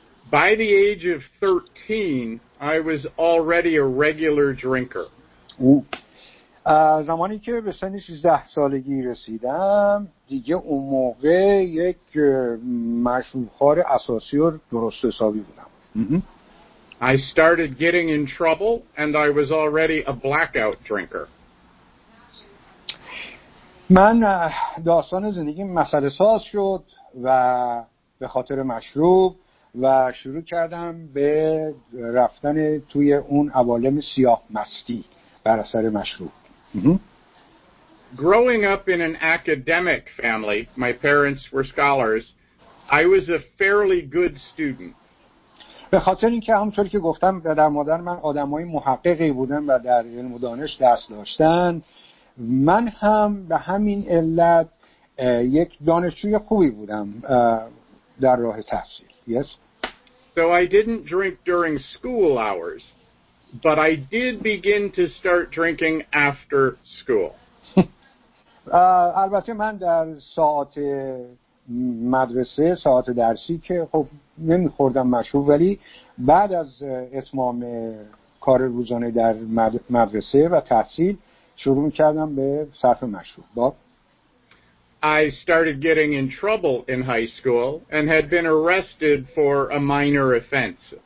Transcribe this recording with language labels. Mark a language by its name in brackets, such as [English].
[English] By the age of 13, I was already a regular drinker. [Persian] زمانی که به سن 13 سالگی رسیدم دیگه اون موقع یک مشروب خور اساسی و درست حسابی بودم. [English] I started getting in trouble and I was already a blackout drinker. [Persian] من داستان زندگی مسئله ساز شد و به خاطر مشروب و شروع کردم به رفتن توی اون عوالم سیاه مستی بر اثر مشروب. [English] Growing up in an academic family, my parents were scholars, I was a fairly good student. [Persian] به خاطر اینکه همونطور که گفتم پدر مادر من آدمای محققی بودن و در علم و دانش دست داشتن، من هم به همین علت یک دانشجوی خوبی بودم در راه تحصیل. [English] Yes. So I didn't drink during school hours. But I did begin to start drinking after school. [Persian] البته من در ساعت مدرسه، ساعت درسی که خب نمی‌خوردم مشروب، ولی بعد از اتمام کار روزانه در مدرسه و تحصیل شروع کردم به صرف مشروب. [English] I started getting in trouble in high school and had been arrested for a minor offense.